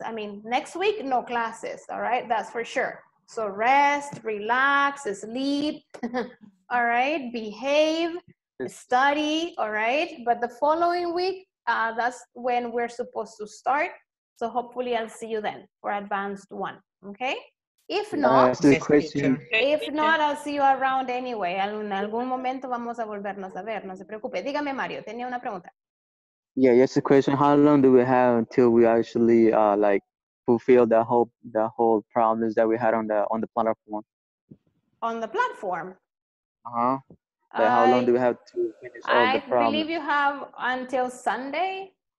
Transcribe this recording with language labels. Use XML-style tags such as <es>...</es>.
<en>I mean, next week, no classes, all right? That's for sure. So rest, relax, sleep, all right? Behave, study, all right? But the following week, that's when we're supposed to start. So hopefully I'll see you then for advanced one, okay? If not, I'll see you around anyway.</en> <es>En algún momento vamos a volvernos a ver, no se preocupe. Dígame, Mario, tenía una pregunta.</es> <en>Yeah, yes, the question, how long do we have until we actually like fulfill the whole problems that we had on the platform? On the platform? Uh-huh. Like how long do we have to finish all the problems? I believe you have until Sunday.</en>